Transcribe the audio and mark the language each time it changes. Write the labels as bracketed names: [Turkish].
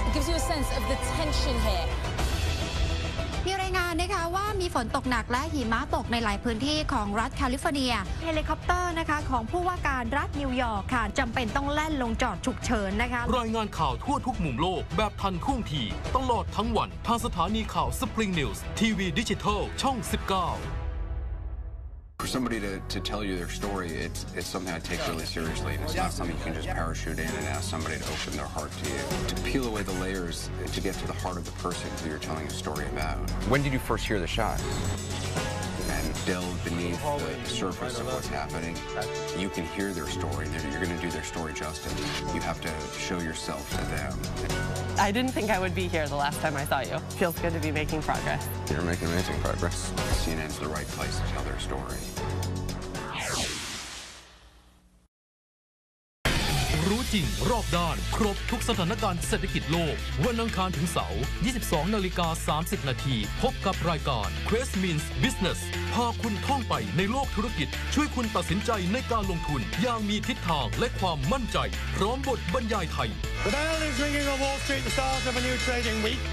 [English] It gives you a sense of the tension here. [Thai] มีรายงานนะคะว่ามีฝนตกหนักและหิมะตกในหลายพื้นที่ของรัฐแคลิฟอร์เนียเฮลิคอปเตอร์นะคะของผู้ว่าการรัฐนิวยอร์กค่ะจำเป็นต้องแล่นลงจอดฉุกเฉินนะคะ รายงานข่าวทั่วทุกมุมโลกแบบทันท่วงทีตลอดทั้งวันทางสถานีข่าว Spring News TV Digital ช่อง19 [English] For somebody to tell you their story, it's something I take really seriously. It's not something you can just parachute in and ask somebody to open their heart to you. To peel away the layers to get to the heart of the person who you're telling a story about. When did you first hear the shot? And delve beneath the surface of what's happening. You can hear their story. You're going to do their story justice. You have to show yourself to them. I didn't think I would be here the last time I saw you. Feels good to be making progress. You're making amazing progress. CNN's the right place to tell their story. [Thai] รู้จริงรอบด้านครบทุกสถานการณ์เศรษฐกิจโลกวันอังคารถึงเสาร์ 22:30 น. พบกับรายการ Quest Means Business พาคุณท่องไปในโลกธุรกิจช่วยคุณตัดสินใจในการลงทุนอย่างมีทิศทางและความมั่นใจพร้อมบทบรรยายไทย [English] The bell is ringing on Wall Street the start of a new trading week